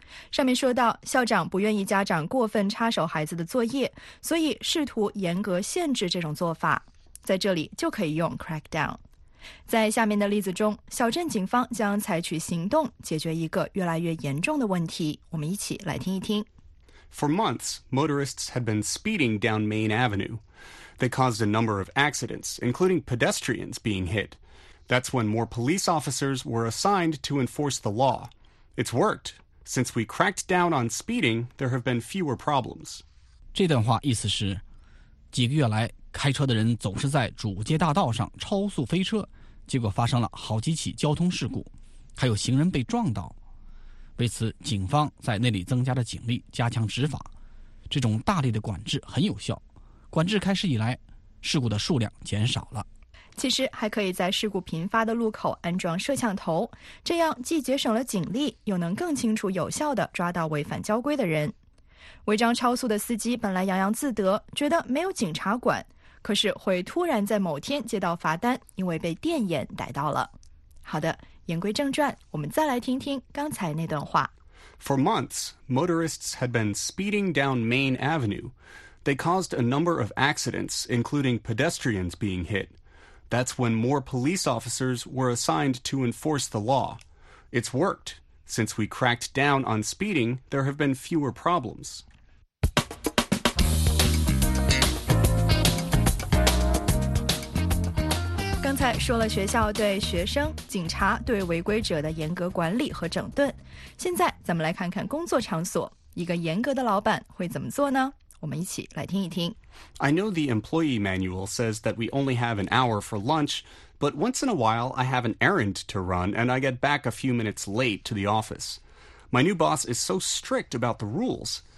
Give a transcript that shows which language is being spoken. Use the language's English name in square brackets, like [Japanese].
[Chinese] 上面说到，校长不愿意家长过分插手孩子的作业，所以试图严格限制这种做法，在这里就可以用 crack down。在下面的例子中，小镇警方将采取行动解决一个越来越严重的问题，我们一起来听一听。 [English] For months, motorists had been speeding down Main Avenue. They caused a number of accidents, including pedestrians being hit. That's when more police officers were assigned to enforce the law. It's worked. Since we cracked down on speeding, there have been fewer problems. [Chinese] 这段话意思是，几个月来，开车的人总是在主街大道上超速飞车，结果发生了好几起交通事故，还有行人被撞倒。为此，警方在那里增加了警力，加强执法。这种大力的管制很有效，管制开始以来，事故的数量减少了。其实还可以在事故频发的路口安装摄像头，这样既节省了警力，又能更清楚有效地抓到违反交规的人。违章超速的司机本来洋洋自得，觉得没有警察管，可是会突然在某天接到罚单，因为被电眼逮到了。好的，言归正传，我们再来听听刚才那段话。 [English] For months, motorists had been speeding down Main Avenue. They caused a number of accidents, including pedestrians being hit. That's when more police officers were assigned to enforce the law. It's worked. Since we cracked down on speeding, there have been fewer problems. [Chinese] 说了学校对学生、警察对违规者的严格管理和整顿，现在咱们来看看工作场所，一个严格的老板会怎么做呢？我们一起来听一听。 [English] I know the employee manual says that we only have an hour for lunch, but once in a while I have an errand to run and I get back a few minutes late to the office. My new boss is so strict about the rules.